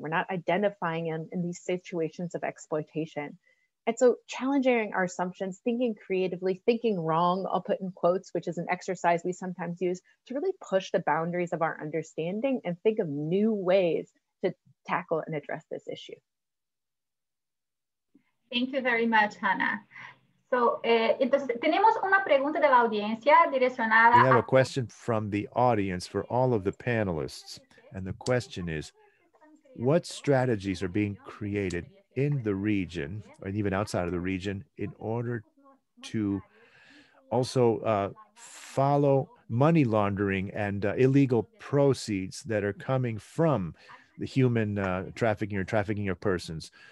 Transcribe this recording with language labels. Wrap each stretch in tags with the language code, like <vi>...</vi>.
<en>We're not identifying them in these situations of exploitation. And so challenging our assumptions, thinking creatively, thinking wrong, I'll put in quotes, which is an exercise we sometimes use to really push the boundaries of our understanding and think of new ways to tackle and address this issue. Thank you very much, Hannah.</en> <es>So, entonces, tenemos una pregunta de la audiencia direccionada.</es> <en>We have a question from the audience for all of the panelists. And the question is, what strategies are being created in the region and even outside of the region in order to also follow money laundering and illegal proceeds that are coming from the human trafficking or trafficking of persons?</en>